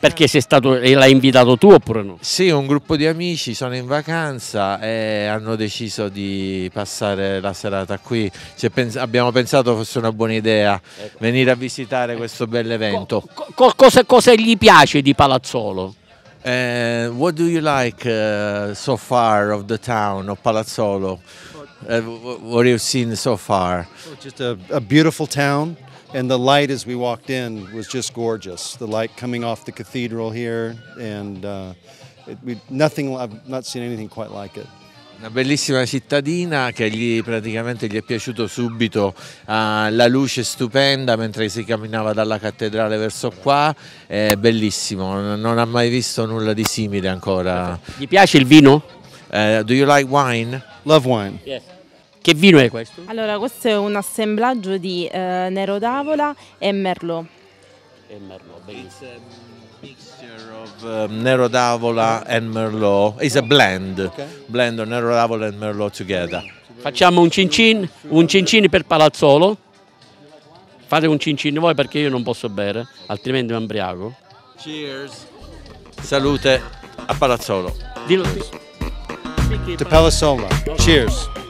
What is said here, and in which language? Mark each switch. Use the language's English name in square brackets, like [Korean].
[Italian] Perché sei stato, l'hai invitato tu oppure no? Sì, un gruppo di amici, sono in vacanza e hanno deciso di passare la serata qui. Abbiamo pensato fosse una buona idea venire a visitare questo bel evento. Cosa gli piace di Palazzolo? [English] What do you like so far of the town of Palazzolo? What have you seen so far? Oh, just a beautiful town, and the light as we walked in was just gorgeous. The light coming off the cathedral here, and I've not seen anything quite like it. [Italian] Una bellissima cittadina che gli praticamente gli è piaciuto subito, la luce stupenda mentre si camminava dalla cattedrale verso qua, è bellissimo, non ha mai visto nulla di simile ancora. Gli piace il vino? [English] Do you like wine? Love wine. [Italian] Yes. Che vino è questo? Allora, questo è un assemblaggio di Nero d'Avola e Merlot. E Merlot, benissimo. [English] Nero d'Avola and Merlot. It's a blend. Okay. Blend of Nero d'Avola and Merlot together. [Italian] Facciamo un cincin per Palazzolo. Fate un cincin voi perché io non posso bere, altrimenti mi ubriaco. Cheers. Salute a Palazzolo. Dillo. [English] To Palazzolo. Cheers.